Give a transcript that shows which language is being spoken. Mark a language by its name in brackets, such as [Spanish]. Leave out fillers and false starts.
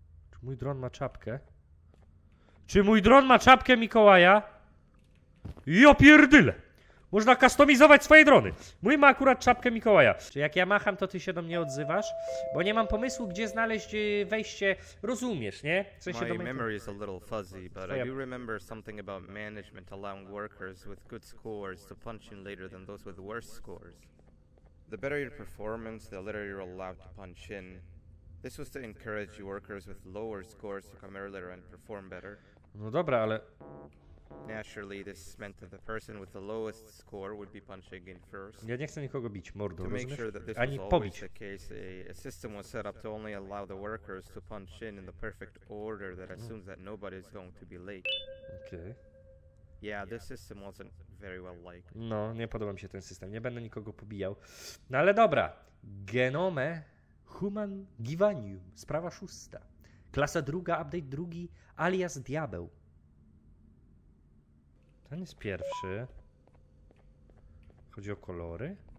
[Polish] Czy mój dron ma czapkę? Czy mój dron ma czapkę Mikołaja? Ja pierdyle! Można customizować swoje drony! Mój ma akurat czapkę Mikołaja. Czy jak ja macham, to ty się do mnie odzywasz? Bo nie mam pomysłu, gdzie znaleźć wejście. Rozumiesz, nie? W sensie [English] my memory is a little fuzzy, but [Polish] twoja... [English] I do remember something about management allowing workers with good scores to punch in later than those with worse scores. The better your performance, the later you're allowed to punch in. This was to encourage workers with lower scores to come earlier and perform better. [Polish] No dobra, ale... [English] Naturally, this meant that the person with the lowest score would be punching in first. [Polish] Ja nie chcę nikogo bić, mordo, rozumiesz? [English] To make sure that this was always the case, a system was set up to only allow the workers to punch in the perfect order that assumes that nobody is going to be late. Okay. Yeah, this system wasn't very well liked. [Polish] No, nie podoba mi się ten system. Nie będę nikogo pobijał. No ale dobra. Genome Human Givanium. Sprawa szósta. Klasa druga, update drugi, alias Diabeł. Ten jest pierwszy. Chodzi o kolory.